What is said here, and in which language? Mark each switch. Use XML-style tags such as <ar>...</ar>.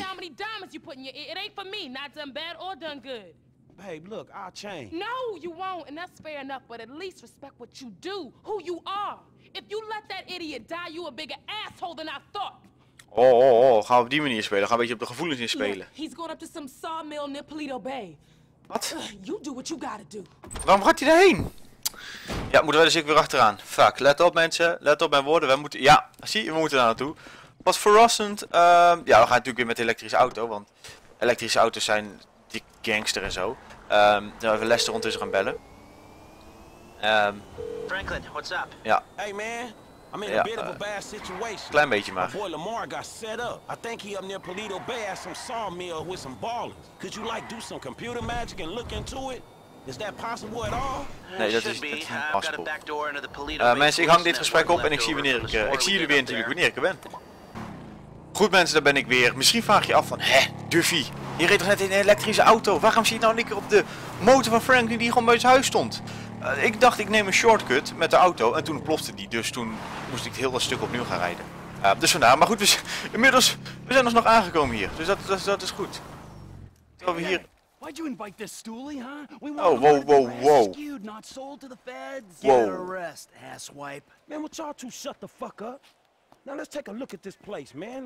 <en>How many diamonds you put in your ear? It ain't for me. Not done bad or done good. Babe, look, I'll change. No, you won't, and that's fair enough, but at least respect what you do, who you are. If you let that idiot die, you a bigger asshole than I thought.</en> <nl>Oh, oh, oh, gaan we op die manier spelen? Gaan we een beetje op de gevoelens in spelen?</nl> <en>Yeah, he's going up to some sawmill near Polito Bay.</en> <nl>Wat?</nl> <en>You do what you gotta do.</en> <nl>Waarom gaat hij daarheen? Ja, moeten we dus ik weer achteraan. Fuck, let op mensen, let op mijn woorden. Ja, zie, we moeten daar naartoe. Was verrassend. Ja, we gaan natuurlijk weer met de elektrische auto, want elektrische auto's zijn... Die gangster en zo. Dan even Lester ondertussen gaan bellen.</nl> <en>Franklin, what's up?</en> <nl>Ja.</nl> <en>Hey man, I'm in a bit of a bad situation.</en> <nl>Klein beetje maar.</nl> <en>My boy Lamar got set up. I think he up near Polito Bay at some sawmill with some ballers. Could you like do some computer magic and look into it? Is that possible at all?</en> <nl>Nee, dat is niet possible. Mensen, ik hang dit gesprek op en ik zie wanneer ik zie jullie weer natuurlijk wanneer ik er ben. Goed mensen, daar ben ik weer. Misschien vraag je af van, hè, Duffy? Je reed toch net in een elektrische auto? Waarom zit je nou een keer op de motor van Franklin die gewoon bij zijn huis stond? Ik dacht ik neem een shortcut met de auto en toen plofte die. Dus toen moest ik het heel wat stuk opnieuw gaan rijden. Ja, dus vandaar. Maar goed, we zijn ons nog aangekomen hier. Dus dat is goed. Terwijl we hier...</nl> <en>Why'd you invite this stoolie, huh? We want rescued, not sold to the feds. Whoa. Get a rest, asswipe. Man, would y'all two shut the fuck up? Now let's take a look at this place, man.</en>